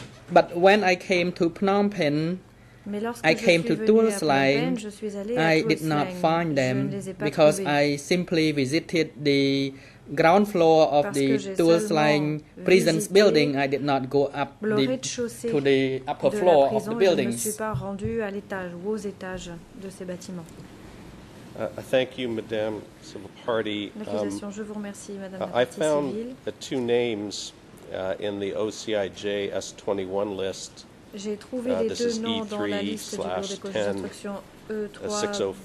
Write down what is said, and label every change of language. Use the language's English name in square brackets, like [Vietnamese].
[English] But when I came to Phnom Penh, I came to Tulslang, I did not find them because I simply visited the ground floor of [French] parce [English] the Tulslang prison's building. I did not go up to the upper floor prison, of the buildings. [French] Je ne suis pas rendu à l'étage ou aux étages de ces bâtiments. [English] Thank you, Madame Civil Party. [French] L'accusation, je vous remercie, Madame la Partie [English] civile. I found two names in the OCIJ S21 list. [French] J'ai trouvé les deux noms dans la liste du bureau des causes d'instruction.